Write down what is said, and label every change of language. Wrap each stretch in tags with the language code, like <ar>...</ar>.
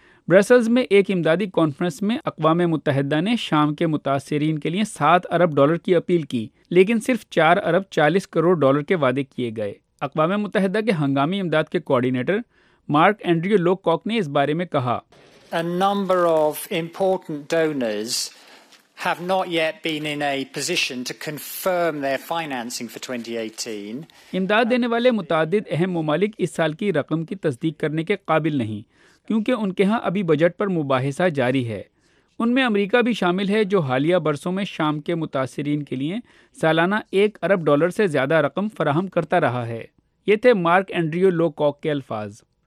<ur>Brussels میں ایک امدادی کانفرنس میں اقوام متحدہ نے شام کے متاثرین کے لیے $7 ارب کی اپیل کی، لیکن صرف $4 ارب 40 کروڑ کے وعدے کیے گئے۔ اقوام متحدہ کے ہنگامی امداد کے کوآرڈینیٹر مارک اینڈریو لوک کاک نے اس بارے میں کہا،</ur> <en>A number of important donors have not yet been in a position to confirm their financing for 2018.</en> <ur>امداد دینے والے متعدد اہم ممالک اس سال کی رقم کی تصدیق کرنے کے قابل نہیں، کیونکہ ان کے ہاں ابھی بجٹ پر مباحثہ جاری ہے۔ ان میں امریکہ بھی شامل ہے، جو حالیہ برسوں میں شام کے متاثرین کے لیے سالانہ $1 ارب سے زیادہ رقم فراہم کرتا رہا ہے۔ یہ تھے مارک اینڈریو لوک کاک کے الفاظ۔</ur>